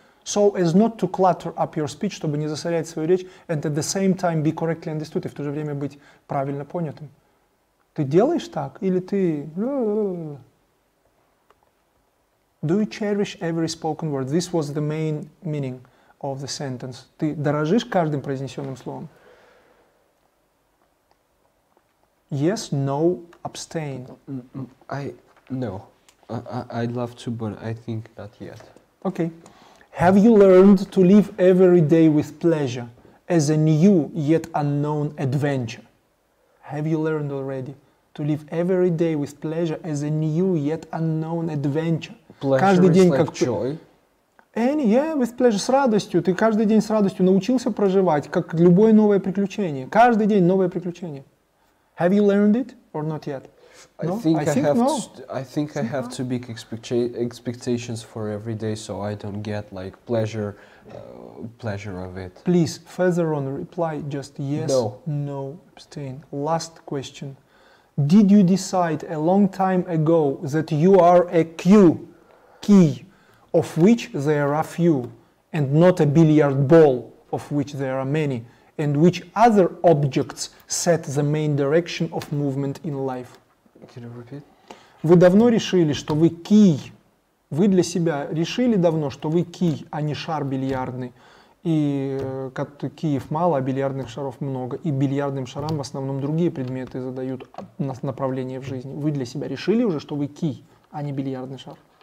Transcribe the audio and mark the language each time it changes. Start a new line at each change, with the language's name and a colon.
English: So as not to clutter up your speech,
Russian: чтобы не засорять свою речь,
English: and at the same time be correctly understood,
Russian: и в то же время быть правильно понятым. Ты делаешь так? Или ты...
English: Do you cherish every spoken word? This was the main meaning of the sentence.
Russian: Ты дорожишь каждым произнесенным словом?
English: Yes, no, abstain. I'd love to, but I think not yet. Okay. Have you learned to live every day with pleasure as a new yet unknown adventure? Have you learned already to live every day with pleasure as a new yet unknown adventure?
Russian: Pleasure каждый день like как joy.
English: Any, yeah, with pleasure,
Russian: с радостью. Ты каждый день с радостью научился проживать, как любое новое приключение. Каждый день новое приключение.
English: Have you learned it or not yet? I think I have to big expectations for every day, so I don't get like pleasure of it. Please, further on, reply just yes, no, no, abstain. Last question. Did you decide a long time ago that you are a key, of which there are few, and not a billiard ball, of which there are many, and which other objects set the main direction of movement in life? Can you repeat?
Russian: Вы давно решили, что вы key. Вы для себя решили давно, что вы key, а не шар бильярдный. И как киев мало, а бильярдных шаров много. И бильярдным шарам в основном другие предметы задают направление в жизни. Вы для себя решили уже, что вы key, а не бильярдный шар?